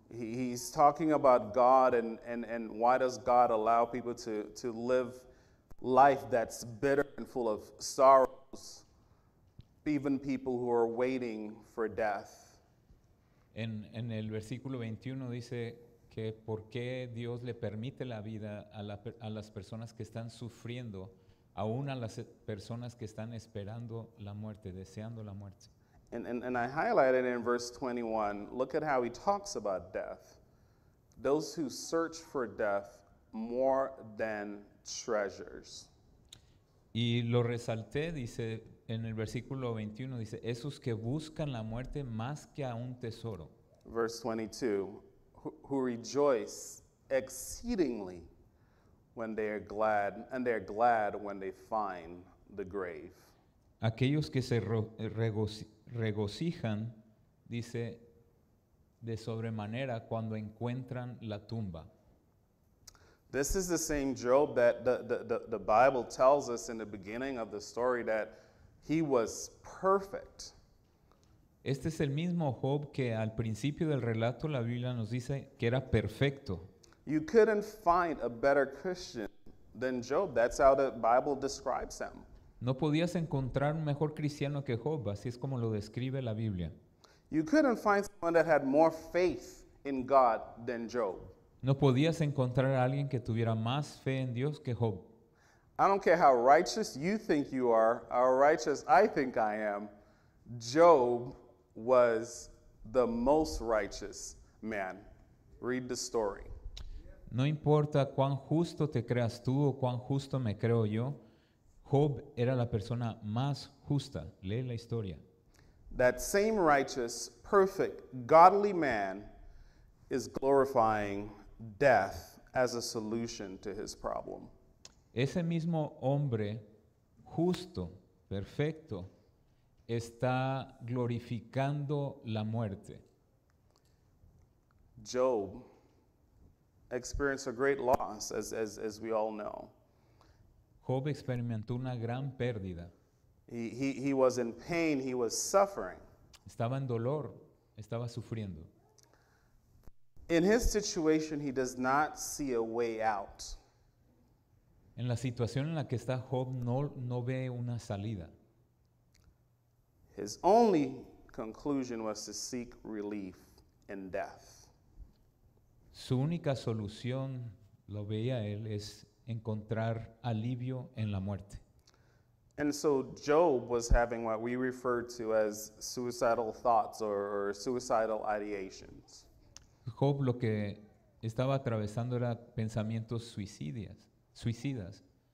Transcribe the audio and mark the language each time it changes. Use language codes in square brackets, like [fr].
[en] He's talking about God and why does God allow people to live life that's bitter and full of sorrows, even people who are waiting for death. [es] En el versículo 21 dice que por qué Dios le permite la vida a las personas que están sufriendo, aún a las personas que están esperando la muerte, deseando la muerte. [en] And I highlighted in verse 21, look at how he talks about death. Those who search for death more than treasures. [es] Y lo resalté, dice, en el versículo 21 dice, esos que buscan la muerte más que a un tesoro. [en] Verse 22, who rejoice exceedingly when they are glad, and they are glad when they find the grave. [es] Aquellos que se regocijan, dice, de sobremanera cuando encuentran la tumba. [en] This is the same Job that the Bible tells us in the beginning of the story that he was perfect. [es] Este es el mismo Job que al principio del relato la Biblia nos dice que era perfecto. [en] You couldn't find a better Christian than Job. That's how the Bible describes him. [es] No podías encontrar un mejor cristiano que Job, así es como lo describe la Biblia. [en] You couldn't find someone that had more faith in God than Job. [es] No podías encontrar a alguien que tuviera más fe en Dios que Job. [en] I don't care how righteous you think you are, how righteous I think I am, Job was the most righteous man. Read the story. [es] No importa cuán justo te creas tú o cuán justo me creo yo, Job era la persona más justa. Lee la historia. [en] That same righteous, perfect, godly man is glorifying death as a solution to his problem. [es] Ese mismo hombre justo, perfecto, está glorificando la muerte. [en] Job experienced a great loss, as we all know. [es] Job experimentó una gran pérdida. [en] He was in pain, he was suffering. [es] Estaba en dolor, estaba sufriendo. [en] In his situation, he does not see a way out. [es] En la situación en la que está Job, no ve una salida. [en] His only conclusion was to seek relief in death. [es] Su única solución, lo veía él, es encontrar alivio en la muerte. [en] And so Job was having what we refer to as suicidal thoughts or suicidal ideations. [es] Job lo que estaba atravesando era pensamientos suicidas.